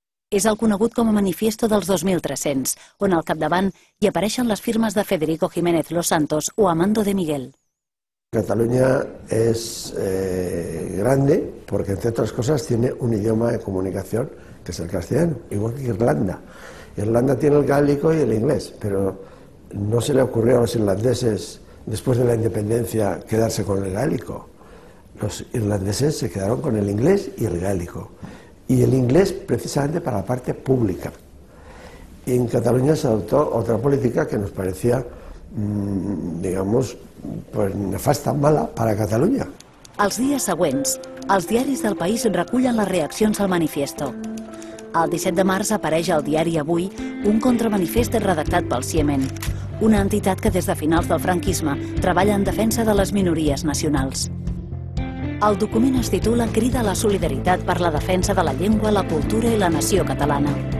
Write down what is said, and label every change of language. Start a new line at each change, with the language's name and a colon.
Catalan: És el conegut com a Manifiesto dels 2300, on al capdavant hi apareixen les firmes de Federico Jiménez Los Santos o Amando de Miguel. Catalunya és
Spanish: grande
Catalan: perquè, entre altres coses, té un idioma de comunicació que
Spanish: es el castellano,
Catalan: igual que Irlanda.
Spanish: Irlanda tiene el gálico y el inglés, pero no se le ocurrió a los irlandeses, después de la independencia, quedarse con el gálico. Los irlandeses se quedaron con el inglés y el gálico. Y el inglés precisamente para la parte pública. Y en Cataluña se adoptó otra política que nos parecía, digamos, pues nefasta, mala para Cataluña.
Catalan: Els dies següents, els diaris del país recullen les reaccions al manifiesto. El 17 de març apareix al diari Avui un contramanifest redactat pel Ciemen, una entitat que des de finals del franquisme treballa en defensa de les minories nacionals. El document es titula Crida a la solidaritat per la defensa de la llengua, la cultura i la nació catalana.